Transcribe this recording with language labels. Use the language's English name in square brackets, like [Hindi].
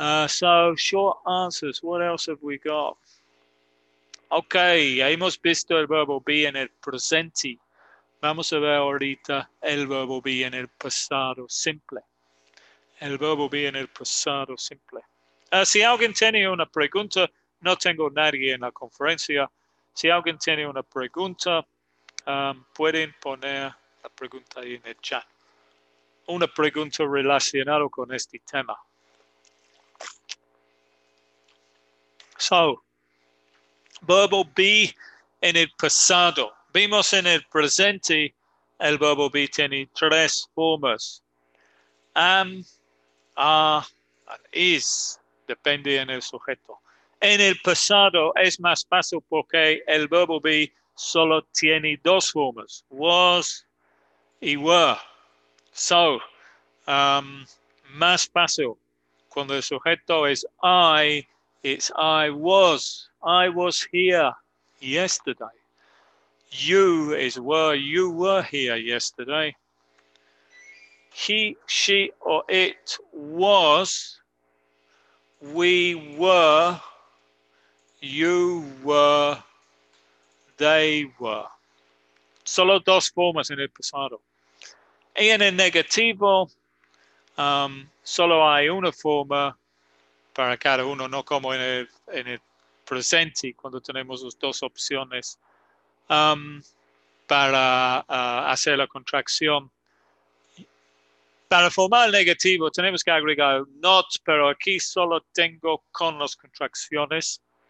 [English] So short answers, what else have we got? [Spanish] Okay, hemos visto el verbo be en el presente. Vamos a ver ahorita el verbo be en el pasado simple. El verbo be en el pasado simple. Si alguien tiene una pregunta, no tengo nadie en la conferencia. Si alguien tiene una pregunta, pueden poner la pregunta ahí en el chat. Una pregunta relacionada con este tema. So, verbo be en el pasado. Vimos en el presente, el verbo be tiene tres formas. Am, are, and is, depende en el sujeto. En el pasado es más fácil porque el verbo be solo tiene dos formas, was y were. So, más fácil. Cuando el sujeto es [English] I, it's I was here yesterday. You is were, you were here yesterday. He, she, or it was, we were, you were, they were. [Spanish] Solo dos formas en el pasado. Y en el negativo, solo hay una forma para cada uno, no como en el presente, cuando tenemos las dos opciones. Hacer la contracción. Para formar el negativo, tenemos que agregar not, pero aquí solo tengo con las contracciones.